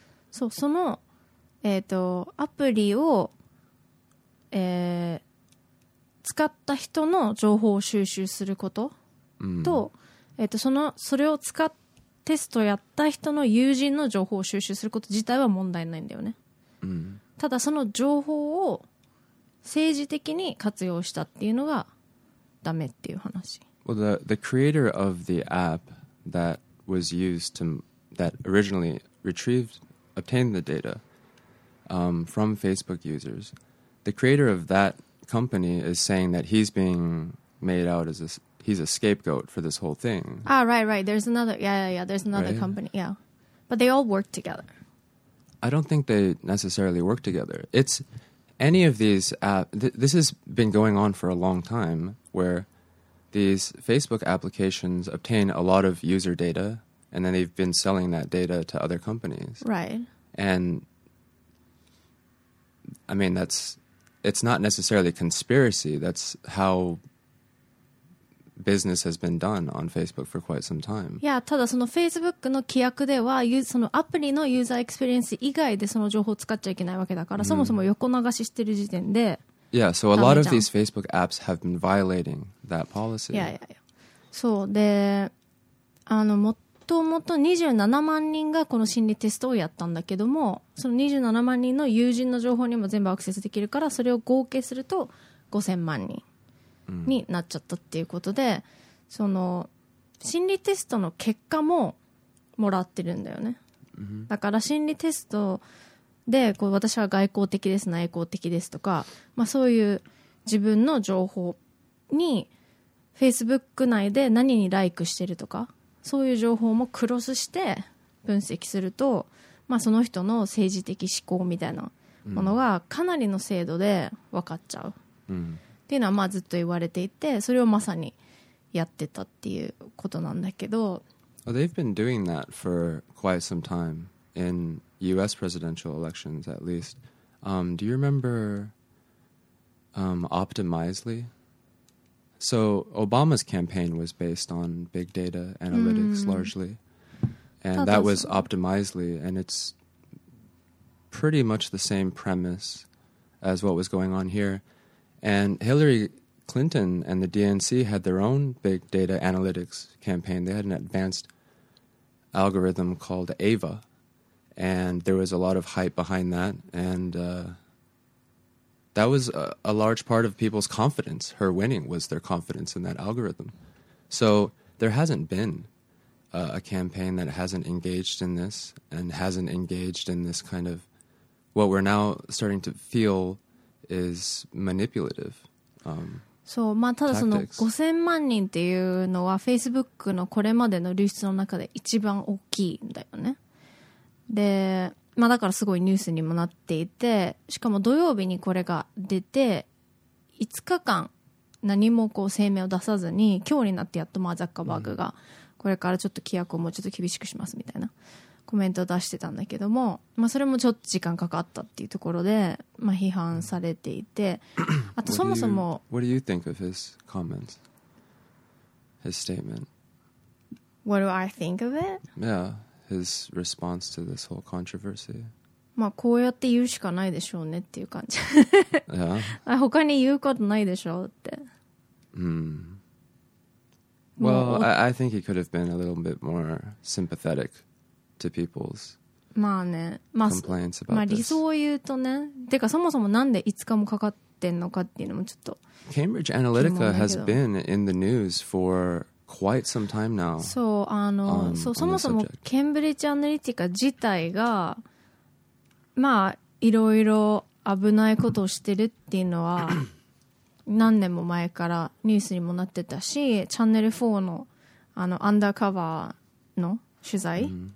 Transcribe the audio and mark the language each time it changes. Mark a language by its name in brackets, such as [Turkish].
[Japanese] So, そのアプリを、使った人の情報を収集すること と、それを使っテストをやった人の友人の情報を収集すること自体は問題ないんだよね、うん、ただその情報を政治的に活用したっていうのがダメっていう話。 [English] Well, the creator of the app that was used to that originally retrieved obtained the datafrom Facebook users. The creator of that company is saying that he's being made out as he's a scapegoat for this whole thing. Ah, right, right. There's another, there's another right? company, yeah. But they all work together. I don't think they necessarily work together. It's any of these apps, this has been going on for a long time, where these Facebook applications obtain a lot of user data, and then they've been selling that data to other companies. Right. And... I mean, it's not necessarily conspiracy. That's how business has been done on Facebook for quite some time. [Japanese] Yeah, ただその Facebook の規約では、そのアプリのユーザーエクスペリエンス以外でその情報を使っちゃいけないわけだから、そもそも横流ししてる時点で、 [English] Yeah, so a lot of these Facebook apps have been violating that policy. Yeah, yeah, yeah. [Japanese] そうで、もともと27万人がこの心理テストをやったんだけども、その27万人の友人の情報にも全部アクセスできるから、それを合計すると5000万人になっちゃったっていうことで、その心理テストの結果ももらってるんだよね。だから心理テストでこう、私は外交的です内向的ですとか、まあ、そういう自分の情報に Facebook 内で何にLikeしてるとか、そういう情報もクロスして分析すると、まあ、その人の政治的思考みたいなものがかなりの精度で分かっちゃう、うん、っていうのはまあずっと言われていて、それをまさにやってたっていうことなんだけど、 [English] well, they've been doing that for quite some time in US presidential elections at least. Do you remember Optimizely? So Obama's campaign was based on big data analytics largely. And that was Optimizely, and it's pretty much the same premise as what was going on here. And Hillary Clinton and the DNC had their own big data analytics campaign. They had an advanced algorithm called AVA, and there was a lot of hype behind that. And that was a large part of people's confidence. Her winning was their confidence in that algorithm. So there hasn't been a campaign that hasn't engaged in this and hasn't engaged in this kind of what we're now starting to feel is manipulative. [Japanese] そう、まあ、ただその5000万人っていうのは Facebook のこれまでの流出の中で一番大きいんだよね。で、まあ、だからすごいニュースにもなっていて、しかも土曜日にこれが出て5日間何もこう声明を出さずに、今日になってやっとまあザッカーバーグがこれからちょっと規約をもうちょっと厳しくしますみたいなコメントを出してたんだけども、まあ、それもちょっと時間かかったっていうところで、まあ、批判されていて、あとそもそも [English] What do you think of his comments? His statement? What do I think of it? Yeah, his response to this whole controversy. [Japanese] まあこうやって言うしかないでしょうねっていう感じ [English] Yeah. [Japanese] 他に言うことないでしょうって、 [English] Well, I think he could have been a little bit more sympathetic to people's complaints about this. [Japanese] 理想を言うとね、てかそもそもなんで5日もかかってんのかっていうのもちょっと。 [English] Cambridge Analytica has been in the news for quite some time now. [Japanese] そう、あの、そう、そもそも Cambridge Analytica 自体が、まあ、いろいろ危ないことをしてるっていうのは、何年も前からニュースにもなってたし、チャンネル4の、あの、アンダーカバーの取材、